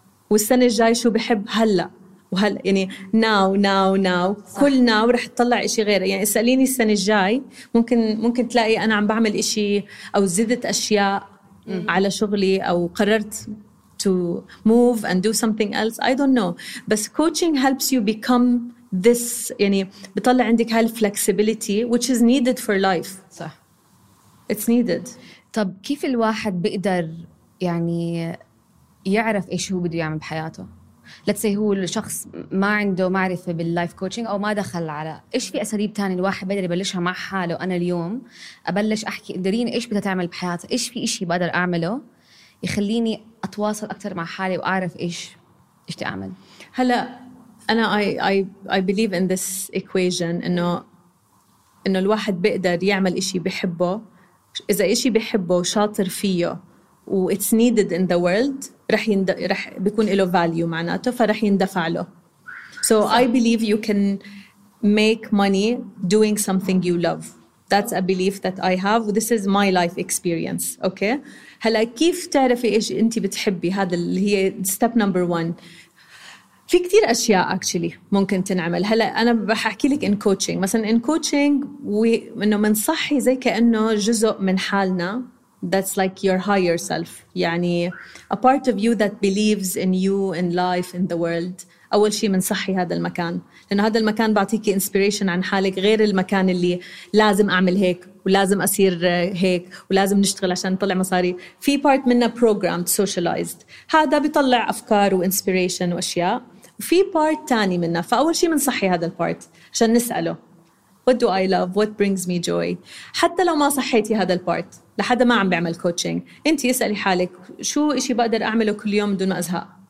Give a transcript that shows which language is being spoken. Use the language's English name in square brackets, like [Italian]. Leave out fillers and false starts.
[Arabic] والسنة الجاي شو بحب هلا وهلا يعني ناو ناو ناو كل ناو رح تطلع إشي غير. يعني سأليني السنة الجاي ممكن تلاقي أنا عم بعمل إشي أو زدت أشياء على شغلي أو قررت [English] to move and do something else. I don't know. [Arabic] بس [English] coaching helps you become this, [Arabic] يعني بطلع عندك هاي [English] flexibility which is needed for life. [Arabic] صح. [English] It's needed. [Arabic] طب كيف الواحد بيقدر يعني يعرف إيش هو بده يعمل بحياته؟ [English] Let's say [Arabic] هو الشخص ما عنده معرفة باللايف كوتشنج أو ما دخل على إيش في أساليب تاني الواحد بقدر يبلشها مع حاله. أنا اليوم أبلش أحكي دارين إيش بدها تعمل بحياته، إيش في إشي بقدر أعمله يخليني أتواصل أكثر مع حالي وأعرف إيش أعمل. هلا أنا [English] I believe in this equation [Arabic] إنه الواحد بيقدر يعمل إشي بحبه إذا إشي بحبه شاطر فيه و [English] it's needed in the world [Arabic] رح بيكون له value معناته فرح يندفع له. So صح. [English] I believe you can make money doing something you love. That's a belief that I have. This is my life experience. Okay. [Arabic] هلا كيف تعرفي إيش أنت بتحبي؟ هذا اللي هي [English] step number one. [Arabic] في كتير أشياء actually ممكن تنعمل. هلا أنا بحكي لك [English] in coaching. [Arabic] مثلا [English] in coaching [Arabic] إنه من صحي زي كأنه جزء من حالنا. [English] That's like your higher self. [Arabic] يعني [English] a part of you that believes in you, in life, in the world. [Arabic] أول شيء من صحي هذا المكان. لأنه هذا المكان بعطيكي inspiration عن حالك غير المكان اللي لازم أعمل هيك ولازم أصير هيك ولازم نشتغل عشان نطلع مصاري. في [English] part [Arabic] منه [English] programmed, socialized. [Arabic] هذا بيطلع أفكار وinspiration وأشياء. في part تاني منه. فأول شيء من صحي هذا البارت عشان نسأله. [English] What do I love? What brings me joy? [Arabic] حتى لو ما صحيتي هذا البارت. لحد ما عم بعمل كوتشينج انت اسالي حالك شو اشي بقدر اعمله كل يوم بدون ما ازهق.